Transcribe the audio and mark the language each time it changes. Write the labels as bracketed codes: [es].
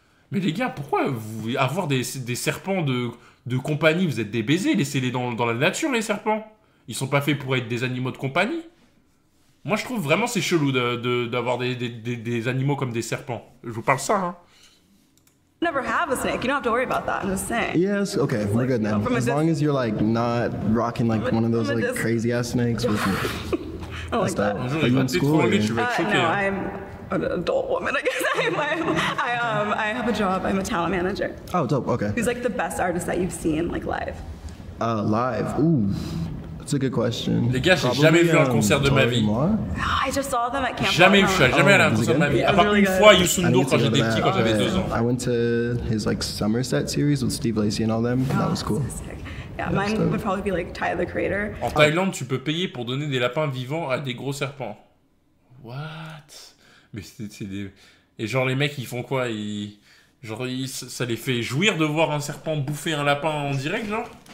[fr] Mais les gars, pourquoi vous avoir des serpents de compagnie, vous êtes des baisers, laissez-les dans la nature, les serpents. Ils sont pas faits pour être des animaux de compagnie. Moi, je trouve vraiment c'est chelou d'avoir des animaux comme des serpents. Je vous parle ça, hein. [en] Never have a snake. You don't have to worry about that. I'm just saying. Yes, okay, we're good then. As long as you're like not rocking like one of those like crazy ass snakes with me. I don't like that. Are you in school? I'm an adult woman, I guess. I have a job. I'm a talent manager. Oh, dope. Okay. Who's like the best artist that you've seen like live? Live. Ooh. That's a good question. [fr] Les gars, j'ai jamais vu un concert de ma vie. [en] I just saw them at camp. [fr] Jamais vu, jamais allé à un concert de ma vie. À part une fois, Youssou N'Dour quand j'étais petit, quand j'avais 2 ans. [en] I went to his like summer set series with Steve Lacy and all them. That was cool. Yeah, mine would probably be like Tyler the Creator. [fr] En Thaïlande, tu peux payer pour donner des lapins vivants à des gros serpents. [en] What? [fr] Mais c'est des... Et genre les mecs, ils font quoi? Ça les fait jouir de voir un serpent bouffer un lapin en direct, genre?